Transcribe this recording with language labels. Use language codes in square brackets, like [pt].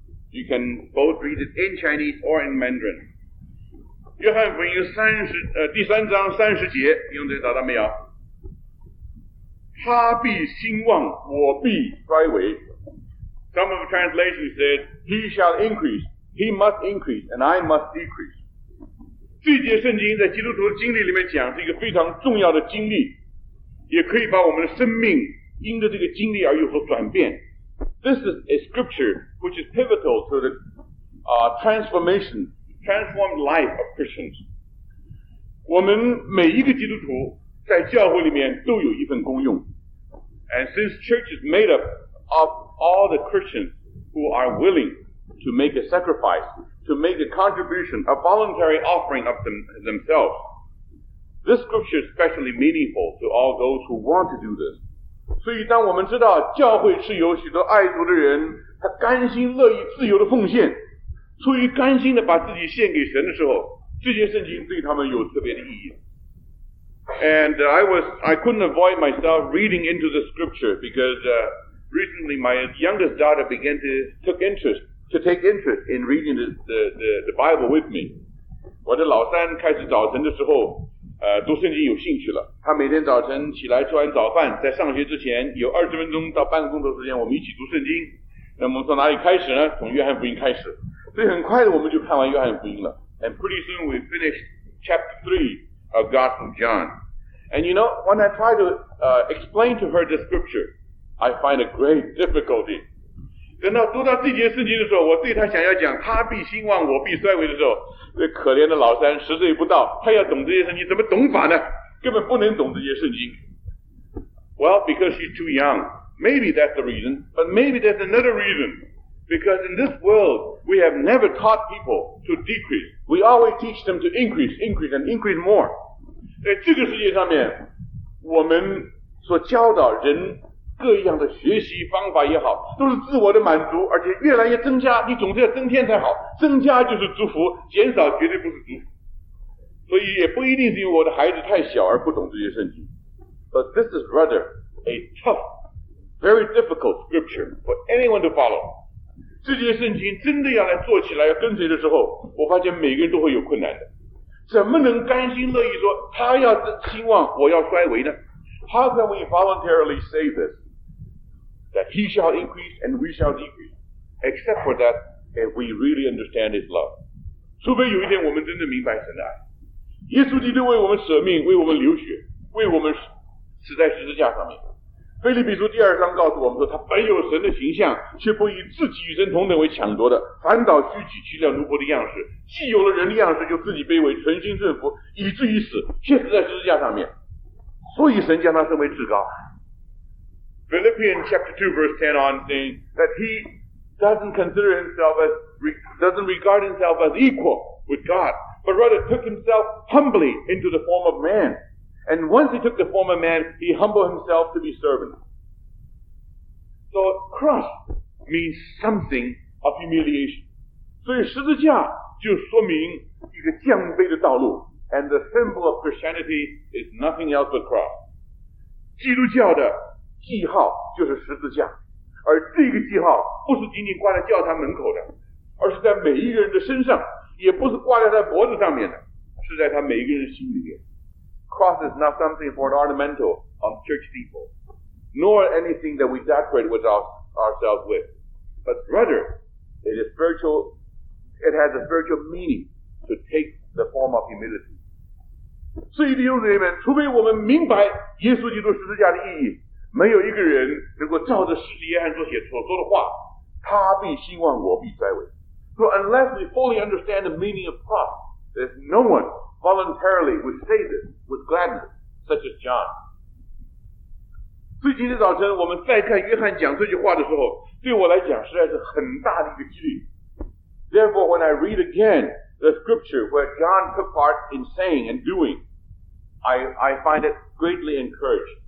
[en] You can both read it in Chinese or in Mandarin. [zh] 约翰福音第三章三十节，弟兄姊妹找到没有？他必兴旺，我必衰微。 [en] Some of the translations said, he shall increase, he must increase, and I must decrease. [zh] 这节圣经在基督徒的经历里面讲是一个非常重要的经历，也可以把我们的生命因着这个经历而有所转变。 [en] This is a scripture which is pivotal to the transformed life of Christians. [zh] 我们每一个基督徒在教会里面都有一份功用。 [en] And since church is made up of all the Christians who are willing to make a sacrifice, to make a contribution, a voluntary offering of themselves, this scripture is especially meaningful to all those who want to do this. [zh] 所以当我们知道教会是由许多爱主的人，他甘心乐意自由的奉献，出于甘心的把自己献给神的时候，这些圣经对他们有特别的意义。 [en] And I couldn't avoid myself reading into the scripture because recently my youngest daughter began to take interest in reading the Bible with me. [zh] 我的老三开始早晨的时候，读圣经有兴趣了。他每天早晨起来吃完早饭，在上学之前有二十分钟到半个钟头时间，我们一起读圣经。那么从哪里开始呢？从约翰福音开始。所以很快的我们就看完约翰福音了。 [en] And pretty soon we finished chapter 3. Of God from John. And you know, when I try to explain to her the scripture, I find a great difficulty. [zh] 等到读到这节圣经的时候，我对她想要讲她必兴旺，我必衰微的时候，这可怜的老三十岁不到，她要懂这些圣经，怎么懂法呢？根本不能懂这些圣经。 [en] Well, because she's too young. Maybe that's the reason, but maybe there's another reason. Because in this world, we have never taught people to decrease. We always teach them to increase, and increase more. [zh] 在这个世界上面，我们所教导人各样的学习方法也好，都是自我的满足，而且越来越增加，你总是要增添才好，增加就是祝福，减少绝对不是祝福。所以也不一定是因为我的孩子太小而不懂这些圣经。 [en] But this is rather a tough, very difficult scripture for anyone to follow. [zh] 这些圣经真的要来做起来要跟随的时候，我发现每个人都会有困难的。怎么能甘心乐意说他要兴旺我要衰微呢？ [en] How can we voluntarily say this? That he shall increase and we shall decrease. Except for that, if we really understand his love. [zh] 除非有一天我们真的明白神的爱。耶稣基督为我们舍命，为我们流血，为我们死在十字架上面。腓立比书第二章告诉我们说，他本有神的形象，却不以自己与神同等为抢夺的，反倒虚己，取了奴仆的样式，既有了人的样式，就自己卑微，存心顺服，以至于死，却死在十字架上面。所以神将他升为至高。 [en] Philippians chapter 2 verse 10 on saying that he doesn't regard himself as equal with God, but rather took himself humbly into the form of man. And once he took the form of man, he humbled himself to be servant. So cross means something of humiliation. [zh] 所以十字架就说明一个降卑的道路。 [en] And the symbol of Christianity is nothing else but cross. [zh] 基督教的记号就是十字架。而这个记号不是仅仅挂在教堂门口的，而是在每一个人的身上，也不是挂在他脖子上面的，是在他每一个人的心里面。 [en] Cross is not something for an ornamental of church people, nor anything that we decorate with ourselves with. But rather, it has a spiritual meaning to take the form of humility. [zh] 所以弟兄姊妹们，除非我们明白耶稣基督十字架的意义，没有一个人能够照着使徒约翰所写所说的话，他必兴旺，我必衰微。 [en] So unless we fully understand the meaning of prophecy, there's no one voluntarily would say this with gladness, such as John. [zh] 所以今天早晨我们再看约翰讲这句话的时候，对我来讲实在是很大的一个激励。 [en] Therefore, when I read again the scripture where John took part in saying and doing, I find it greatly encouraged.